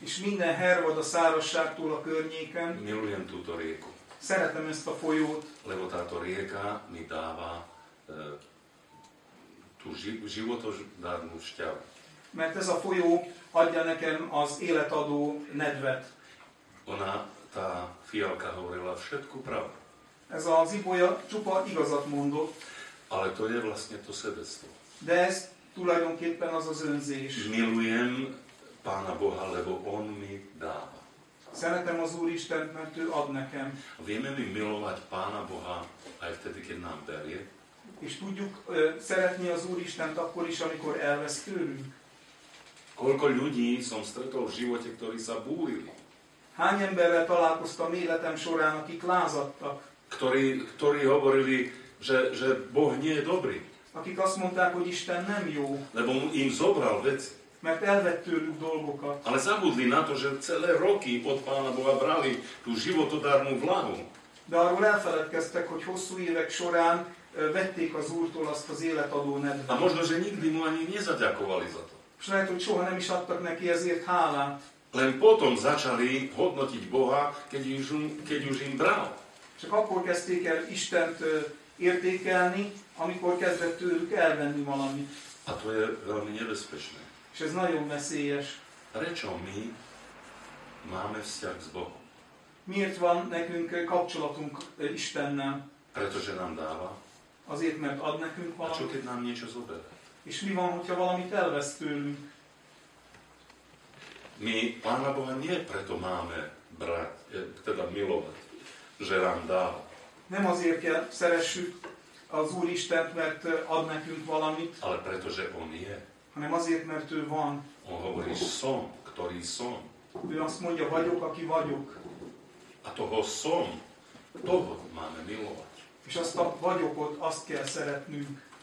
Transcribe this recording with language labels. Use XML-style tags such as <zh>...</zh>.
<hu>és minden hervad a szárazságtól a környéken,</hu> <sk>milujem túto rieku.</sk> <hu>Szeretem ezt a folyót,</hu> <sk>lebo táto rieka mi dáva tú životodárnu šťavu.</sk> <hu>Mert ez a folyó adja nekem az életadó nedvet.</hu> <sk>Ona, tá fialka hovorila všetku pravdu.</sk> <hu>Ez az ibolya csupa igazat mondott.</hu> <sk>Ale to je vlastne to sebectvo.</sk> <hu>De ez tulajdonképpen az az önzés.</hu> <sk>Milujem Pána Boha, lebo On mi dáva.</sk> <hu>Szeretem az Úristent, mert ő ad nekem.</hu> <sk>Vieme mi milovať Pána Boha, aj vtedy, keď nám berie.</sk> <hu>És tudjuk szeretni az Úristent akkor is, amikor elvesz tőlünk.</hu> <sk>Koľko ľudí som stretol v živote, ktorí sa búrili.</sk> <hu>Hány emberrel találkoztam életem során, akik lázadtak.</hu> <sk>Ktorí hovorili, že Boh nie je dobrý.</sk> <hu>Akik azt mondták, hogy Isten nem jó.</hu> <sk>Lebo im zobral veci.</sk> <hu>Mert elvett tőlük dolgokat.</hu> <sk>Ale zabudli na to, že celé roky pod Pána Boha brali tú životodárnu vlahu.</sk> <hu>De arról elfeledkeztek, hogy hosszú évek során vették az Úrtól azt az életadó nedvet.</hu> <sk>A možno, že nikdy mu ani nezaďakovali za to.</sk> <hu>És lehet, hogy soha nem is adtak neki ezért hálát.</hu> <sk>Len potom začali hodnotiť Boha, keď už im bral.</sk> <hu>Csak akkor kezdték el Istent értékelni, amikor kezdett tőlük elvenni valamit.</hu> <sk>A to je veľmi nebezpečné.</sk> <hu>És ez nagyon veszélyes.</hu> <sk>Prečo mi máme vzťah s Bohom?</sk> <hu>Miért van nekünk kapcsolatunk Istennel?</hu> <sk>Pretože nám dáva.</sk> <hu>Azért, mert ad nekünk valamit.</hu> <sk>A čo keď nám niečo zober?</sk> <hu>És mi van, hogyha valamit elvesz tőlünk?</hu> <sk>Mi Pána Boha nie preto máme brať, teda milovať. Že nám dáva.</sk> <hu>Nem azért kell szeressük az Úr Istent, mert ad nekünk valamit.</hu> <sk>Ale pretože On je.</sk> <hu>Hanem azért, mert ő van.</hu> <sk>On hovorí, som, ktorý som.</sk> <hu>Ő azt mondja, vagyok, aki vagyok.</hu> <sk>A toho som, toho máme milovať.</sk> <hu>És azt a vagyokot, azt kell szeretnünk.</hu>